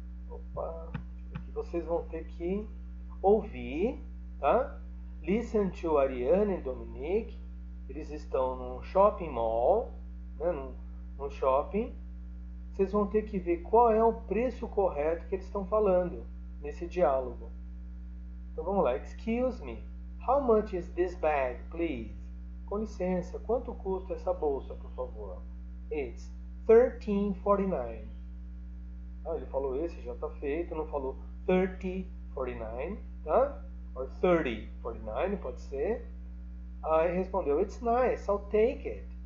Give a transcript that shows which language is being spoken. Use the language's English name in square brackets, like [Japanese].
[Portuguese] Opa, vocês vão ter que ouvir, tá? [English] Listen to [Portuguese] Ariane e Dominique. Eles estão num shopping mall, né? Num shopping. Vocês vão ter que ver qual é o preço correto que eles estão falando nesse diálogo. Então vamos lá. [English] Excuse me, how much is this bag, please? [Portuguese] Com licença, quanto custa essa bolsa, por favor? [English] It's $13.49. [Portuguese] Ah, ele falou esse, já está feito, não falou $30.49, tá? Ou $30.49, pode ser. Aí respondeu: [English] It's nice, I'll take it.